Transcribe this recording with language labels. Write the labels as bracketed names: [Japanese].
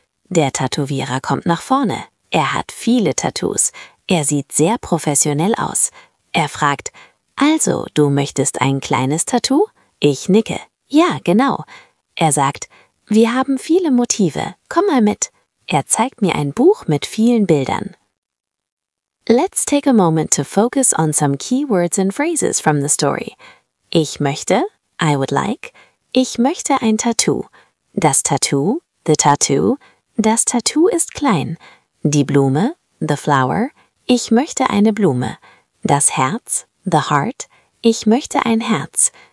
[German] Der Tätowierer kommt nach vorne. Er hat viele Tattoos. Er sieht sehr professionell aus. Er fragt, also, du möchtest ein kleines Tattoo? Ich nicke, ja, genau. Er sagt, wir haben viele Motive, komm mal mit. Er zeigt mir ein Buch mit vielen Bildern. [English] Let's take a moment to focus on some key words and phrases from the story. [German] Ich möchte, [English] I would like, [German] ich möchte ein Tattoo. Das Tattoo, [English] the tattoo, [German] das Tattoo ist klein. Die Blume, [English] the flower, [German] ich möchte eine Blume. Das Herz, [English] the heart. [German] Ich möchte ein Herz.